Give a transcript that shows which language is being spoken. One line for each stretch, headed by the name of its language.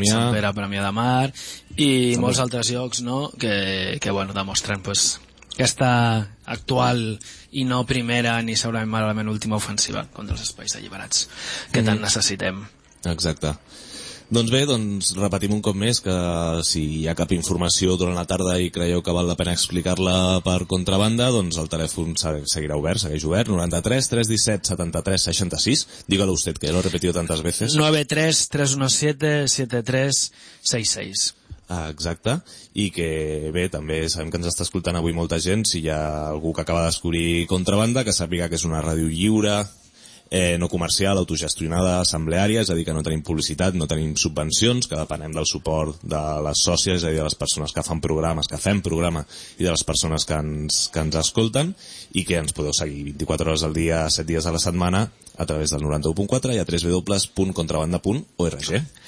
Catalan: Can Sant Pere, Premià de Mar, i també molts altres llocs, no?, que bueno, demostren, pues, aquesta actual i no primera ni segurament malament última ofensiva contra els espais alliberats que tant necessitem. Exacte. Doncs bé, doncs repetim un cop més que si hi ha cap informació durant la tarda i creieu que val la pena explicar-la per contrabanda, doncs el telèfon seguirà obert, segueix obert, 93-317-7366.
Spanish: Dígalo usted, que lo he repetido tantas veces. 93-317-7366.
Catalan: Ah, exacte, i que bé, també sabem que ens està escoltant avui molta gent, si hi ha algú que acaba de descobrir contrabanda, que sàpiga que és una ràdio lliure, no comercial, autogestionada, assembleària, és a dir, que no tenim publicitat, no tenim subvencions, que depenem del suport de les sòcies, és a dir, de les persones que fan programes, que fem programa, i de les persones que ens escolten, i que ens podeu seguir 24 hores al dia, 7 dies a la setmana, a través del 91.4 i a www.contrabanda.org.